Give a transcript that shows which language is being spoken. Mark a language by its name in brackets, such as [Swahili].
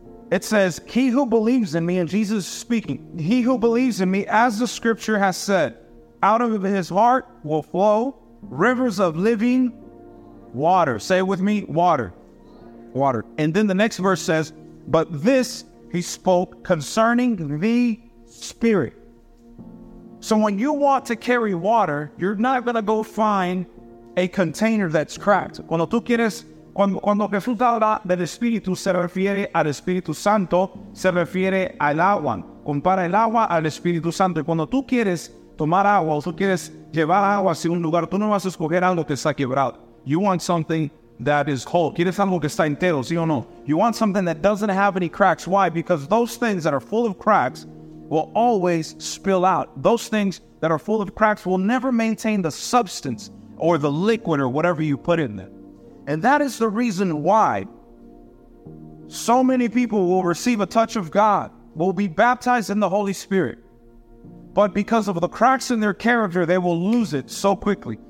[English] It says, "He who believes in me," and Jesus is speaking, "he who believes in me, as the scripture has said, out of his heart will flow rivers of living water." Say it with me, water. Water. And then the next verse says, "But this he spoke concerning the Spirit." So when you want to carry water, you're not going to go find a container that's cracked. [Spanish] Cuando tú quieres, cuando Jesús habla del Espíritu, se refiere al Espíritu Santo, se refiere al agua. Compara el agua al Espíritu Santo. Y cuando tú quieres tomar agua o tú quieres llevar agua hacia un lugar, tú no vas a escoger algo que está quebrado. [English] You want something that is whole. [Spanish] ¿Quieres algo que está entero, sí o no? [English] You want something that doesn't have any cracks. Why? Because those things that are full of cracks will always spill out. Those things that are full of cracks will never maintain the substance or the liquid or whatever you put in them. And that is the reason why so many people will receive a touch of God, will be baptized in the Holy Spirit, but because of the cracks in their character, they will lose it so quickly.